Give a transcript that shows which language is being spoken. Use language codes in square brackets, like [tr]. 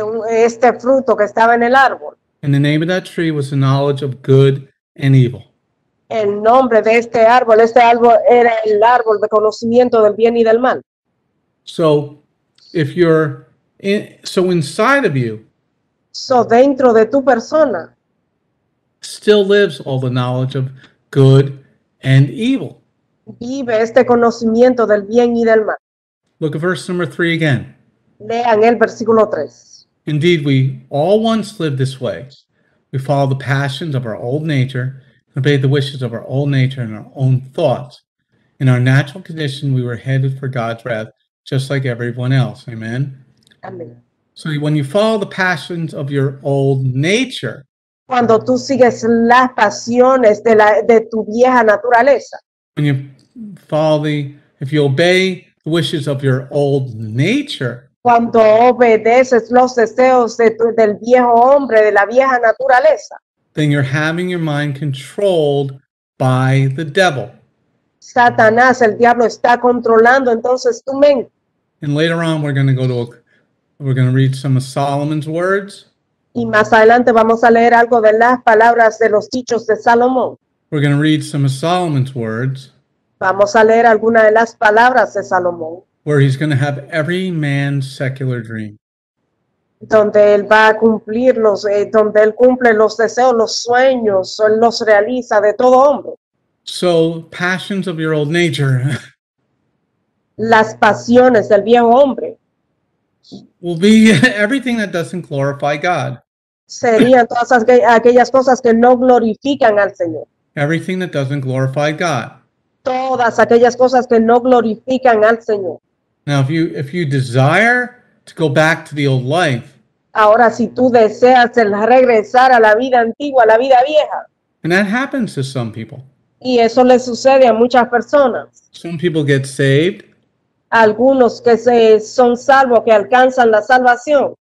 [es] Este fruto que estaba en el árbol. [en] And the name of that tree was the knowledge of good and evil. [es] El nombre de este árbol era el árbol de conocimiento del bien y del mal. [en] So, if you're so inside of you, [es] so dentro de tu persona, [en] still lives all the knowledge of good and evil. [es] Vive este conocimiento del bien y del mal. [en] Look at verse number 3 again. [es] Lean el versículo 3. [en] Indeed, we all once lived this way. We follow the passions of our old nature, obeyed the wishes of our old nature and our own thoughts. In our natural condition, we were headed for God's wrath, just like everyone else. Amen? Amen. So when you follow the passions of your old nature, [es] cuando tú sigues las pasiones de tu vieja naturaleza, [en] when you follow if you obey the wishes of your old nature, [es] cuando obedeces los deseos del viejo hombre, de la vieja naturaleza, [en] then you're having your mind controlled by the devil. [es] Satanás, el diablo, está controlando entonces tu mente. [en] And later on, we're going to read some of Solomon's words. [es] Y más adelante vamos a leer algo de las palabras de los dichos de Salomón. [en] We're going to read some of Solomon's words. [es] Vamos a leer alguna de las palabras de Salomón. [en] Where he's going to have every man's secular dream. [es] Donde él va a cumplir donde él cumple los deseos, los sueños, él los realiza de todo hombre. [en] So, passions of your old nature. [es] Las pasiones del viejo hombre. [en] Will be everything that doesn't glorify God. [es] Serían todas aquellas cosas que no glorifican al Señor. [en] Everything that doesn't glorify God. [es] Todas aquellas cosas que no glorifican al Señor. [en] Now, if you desire to go back to the old life, [es] ahora si tú deseas el regresar a la vida antigua, a la vida vieja, [en] and that happens to some people. [es] Y eso le sucede a muchas personas. [en] Some people get saved. [es] Algunos que se son salvos, que alcanzan la salvación.